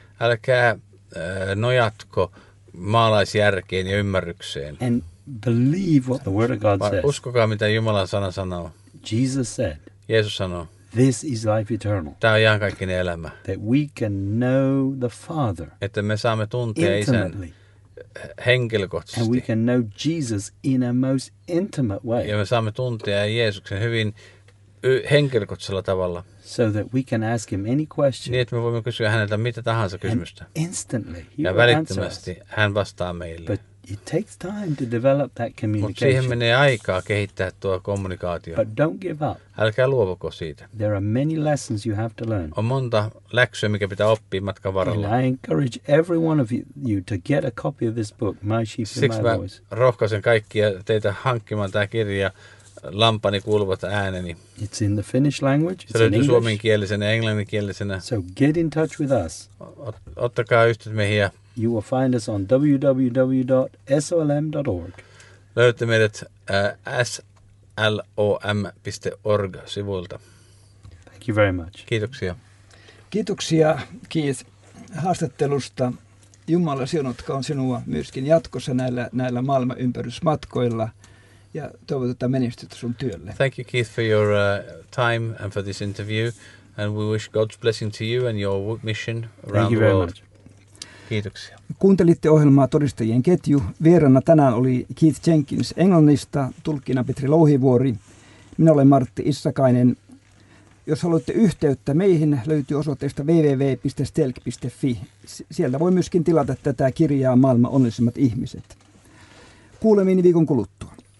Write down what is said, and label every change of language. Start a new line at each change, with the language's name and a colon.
Finnish: Älkää nojatko maalaisjärkeen ja ymmärrykseen.
English: And believe what the word of God says.
Finnish: Uskokaa mitä Jumalan sana sanoo.
English: Jesus said.
Finnish: Jeesus sanoo.
English: This is life eternal.
Finnish: Tämä on iankaikkinen elämä.
English: That we can know the Father.
Finnish: Että me saamme tuntea isän henkilökohtaisesti.
English: And we can know Jesus in a most intimate way.
Finnish: Ja me saamme tuntea Jeesuksen hyvin henkilökohtaisella tavalla.
English: So that we can ask him any question.
Finnish: Niin, että me voimme kysyä häneltä mitä tahansa kysymystä.
English: And instantly he
Finnish: ja välittömästi hän vastaa meille.
English: But it takes time to develop that communication.
Finnish: Mutta siihen menee aikaa kehittää tuo kommunikaatio.
English: But don't give up.
Finnish: Älkää luovuko siitä.
English: There are many lessons you have to learn.
Finnish: On monta läksyä, mikä pitää oppia matkan varrella.
English: And I encourage every one of you to get a copy of this book, My Sheep and My Voice.
Finnish: Siksi rohkaisen kaikkia teitä hankkimaan tämä kirja. Lampani kuuluvat ääneni.
English: It's in the Finnish language.
Finnish: Se löytyy suomenkielisenä ja englanninkielisenä.
English: So get in touch with us.
Finnish: Ottakaa yhteyttä meihin.
English: You will find us on www.solm.org.
Finnish: Löytä meidät slom.org-sivuilta.
English: Thank you very much.
Finnish: Kiitoksia. Kiitoksia, Keith, haastattelusta. Jumala siunatkoon sinua myöskin jatkossa näillä maailmanympärysmatkoilla. Ja toivotetaan menestystä sun työlle.
English: Thank you, Keith, for your time and for this interview. And we wish God's blessing to you and your mission around the world. Thank you very much.
Finnish: Kiitoksia. Kuuntelitte ohjelmaa Todistajien ketju. Vieraana tänään oli Keith Jenkins Englannista, tulkkina Petri Louhivuori. Minä olen Martti Issakainen. Jos haluatte yhteyttä meihin, löytyy osoitteesta www.stelk.fi. Sieltä voi myöskin tilata tätä kirjaa Maailman onnellisimmat ihmiset. Kuulemiin viikon kuluttua.